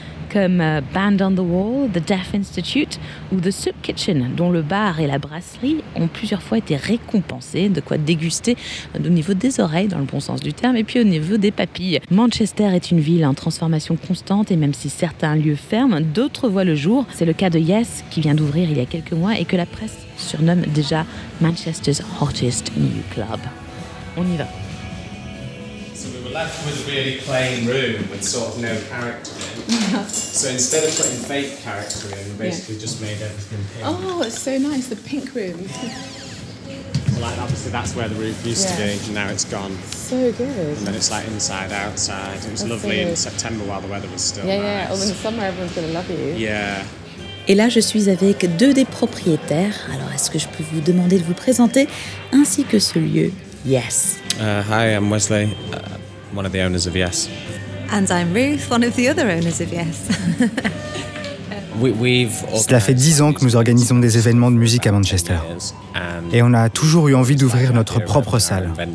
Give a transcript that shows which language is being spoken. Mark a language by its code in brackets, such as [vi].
[fr] Comme Band on the Wall, The Deaf Institute ou The Soup Kitchen, dont le bar et la brasserie ont plusieurs fois été récompensés, de quoi déguster au niveau des oreilles, dans le bon sens du terme, et puis au niveau des papilles. Manchester est une ville en transformation constante, et même si certains lieux ferment, d'autres voient le jour. C'est le cas de Yes, qui vient d'ouvrir il y a quelques mois et que la presse surnomme déjà Manchester's Hottest New Club. On y va. [en] Left with a really plain room with sort of no character in. So instead of putting fake character in, we basically just made everything pink. Oh, it's so nice, the pink room. Like, obviously that's where the roof used to be, and now it's gone. So good. And then it's like inside, outside. It was lovely in September while the weather was still nice. Yeah, in the summer everyone's going to love you. Yeah. [fr] Et là, je suis avec deux des propriétaires. Alors, est-ce que je peux vous demander de vous présenter, ainsi que ce lieu? [en] Yes. Hi, I'm Wesley. One of the owners of Yes. And I'm Ruth, one of the other owners of Yes. [fr] Cela fait 10 ans que nous organisons des événements de musique à Manchester. Et on a toujours eu envie d'ouvrir notre propre salle.